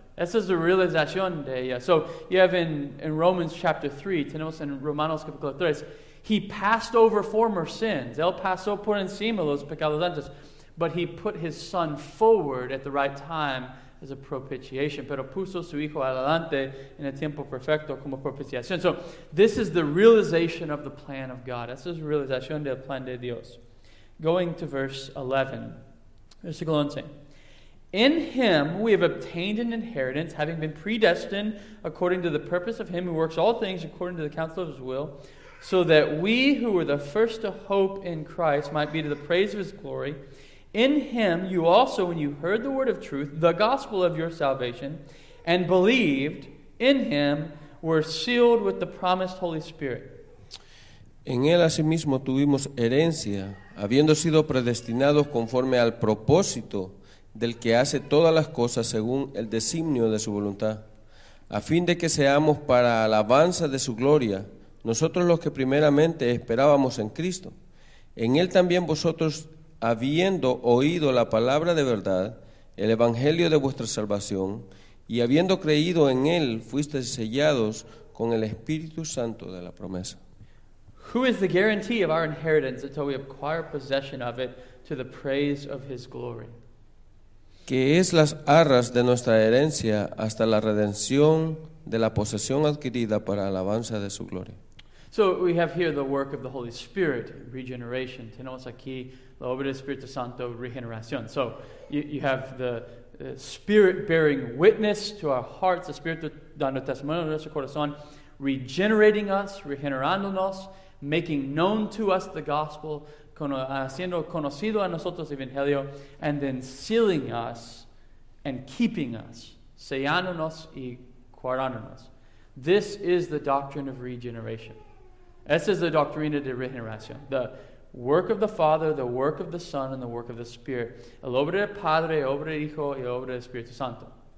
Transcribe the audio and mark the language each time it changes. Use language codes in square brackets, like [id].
[es] Esa es la realización de ella. [en] So, you have in Romans chapter 3, [es] tenemos en Romanos capítulo 3, [en] he passed over former sins. [es] Él pasó por encima los pecados antes. [en] But he put his son forward at the right time as a propitiation. [es] Pero puso su hijo adelante en el tiempo perfecto como propiciación. [en] So, this is the realization of the plan of God. [es] Esa es la realización del plan de Dios. [en] Going to verse 11. [es] Versículo 11. [en] In him we have obtained an inheritance, having been predestined according to the purpose of him who works all things according to the counsel of his will, so that we who were the first to hope in Christ might be to the praise of his glory. In him you also, when you heard the word of truth, the gospel of your salvation, and believed in him, were sealed with the promised Holy Spirit. [es] En él asimismo tuvimos herencia, habiendo sido predestinados conforme al propósito del que hace todas las cosas según el designio de su voluntad, a fin de que seamos para alabanza de su gloria, nosotros los que primeramente esperábamos en Cristo. En él también vosotros, habiendo oído la palabra de verdad, el evangelio de vuestra salvación, y habiendo creído en él, fuisteis sellados con el Espíritu Santo de la promesa. [en] Who is the guarantee of our inheritance until we acquire possession of it to the praise of his glory? [es] que es las arras de nuestra herencia hasta la redención de la posesión adquirida para alabanza de su gloria. [en] So we have here the work of the Holy Spirit, regeneration. [es] Tenemos aquí la obra del Espíritu Santo, regeneración. [en] So you have the Spirit bearing witness to our hearts, the Spirit [es] dando testimonio de nuestro corazón, [en] regenerating us, [es] regenerándonos, [en] making known to us the gospel, [es] haciendo conocido a nosotros el Evangelio, [en] and then sealing us and keeping us, [es] sellándonos y guardándonos. [en] This is the doctrine of regeneration. [es] Esta es la doctrina de regeneración. [en] The work of the Father, the work of the Son, and the work of the Spirit. [es] El obra del Padre, el obra del Hijo, y el obra del Espíritu Santo.